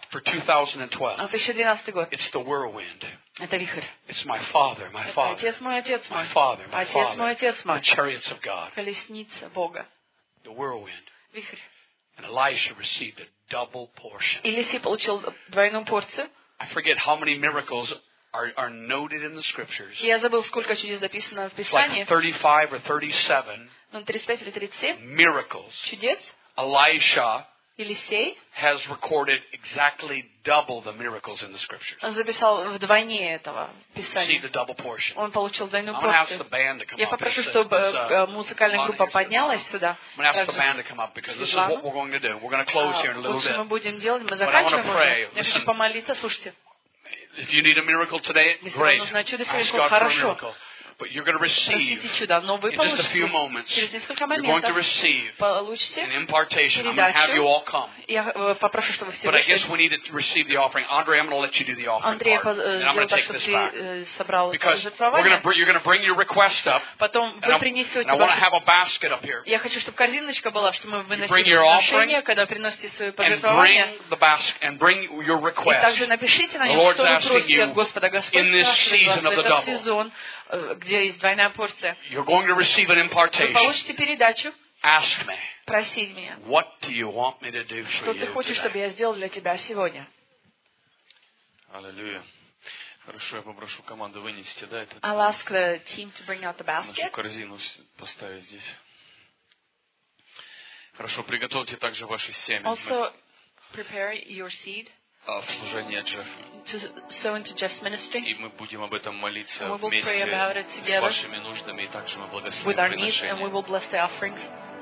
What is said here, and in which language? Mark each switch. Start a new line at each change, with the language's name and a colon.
English: For 2012. It's the whirlwind.
Russian: Это вихрь.
English: It's my father, my father.
Russian: Отец мой, отец мой.
English: My father, my father.
Russian: Отец мой, отец мой.
English: The chariots of God.
Russian: Колесница Бога.
English: The whirlwind.
Russian: Вихрь.
English: And Elijah received a double portion.
Russian: Елисей получил двойную порцию.
English: I forget how many miracles are noted in the scriptures.
Russian: Я забыл, сколько чудес записано в Писании.
English: Like 35 or 37.
Russian: Ну, 35 или 37.
English: Miracles.
Russian: Чудес.
English: Elijah
Russian: Елисей
English: has recorded exactly double the miracles in the scriptures.
Russian: Он записал вдвойне этого писания.
English: See the double portion.
Russian: Он получил двойную порцию. Я попрошу, чтобы музыкальная группа поднялась сюда.
English: I'm going to ask the band to come up because this is what we're going to do. We're going to close here in a little bit.
Russian: Что мы будем делать? Мы заканчиваем.
English: But I want to pray.
Russian: Я хочу помолиться, слушайте.
English: If you need a miracle today, great.
Russian: Если вам нужно чудо сегодня, хорошо.
English: But you're going to receive in just a few moments. You're going to receive an impartation.
Russian: Передачу.
English: I'm going to have you all come.
Russian: Я, попрошу,
English: but
Russian: вышли.
English: I guess we need to receive the offering. Andre, I'm going to let you do the offering Andrei, part. And I'm going to take this back. Because we're going to you're going to bring your request up.
Russian: Потом
English: and I want to have a basket up here.
Russian: Я хочу, чтобы корзиночка была, чтобы мы выносили
English: you bring your offering
Russian: когда приносите свое пожертвование.
English: And bring the basket and bring your request.
Russian: И также напишите на нем,
English: the Lord's
Russian: что
English: asking you
Russian: Господа,
English: in this season of the double.
Russian: Сезон, где есть двойная порция.
English: You're going to receive an impartation.
Russian: Вы получите передачу.
English: Ask me.
Russian: Проси меня.
English: What do you want me to do for
Russian: что ты хочешь,
English: today?
Russian: Чтобы я сделал для тебя сегодня? Аллилуйя. Хорошо, я попрошу команду вынести, да, этот.
English: I'll ask the team to bring out the basket.
Russian: Нашу корзину поставить здесь. Хорошо, приготовьте также ваши семена.
English: Also prepare your seed.
Russian: В служение Джефф. И мы будем об этом молиться вместе с вашими нуждами и также мы благословим приношения.